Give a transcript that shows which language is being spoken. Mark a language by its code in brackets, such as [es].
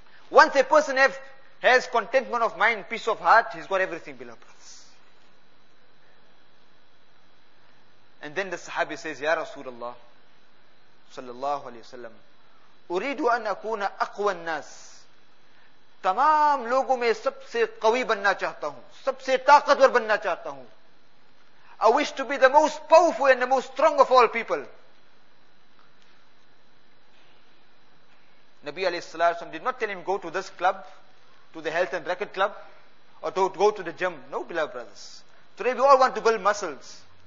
[en] Once a person has contentment of mind, peace of heart, he's got everything, beloved ones. And then the sahabi says, Ya Rasulullah, sallallahu alayhi wa sallam, [ar] أريد أن أكون أقوى الناس. [ur] تمام لوگوں میں سب سے قوی بننا چاہتا ہوں. سب سے طاقتور بننا چاہتا ہوں. [en] I wish to be the most powerful and the most strong of all people. Nabi alayhi salallahu alayhi wa sallam did not tell him go to this club, to the health and racket club, or to go to the gym. No, beloved brothers. Today we all want to build muscles.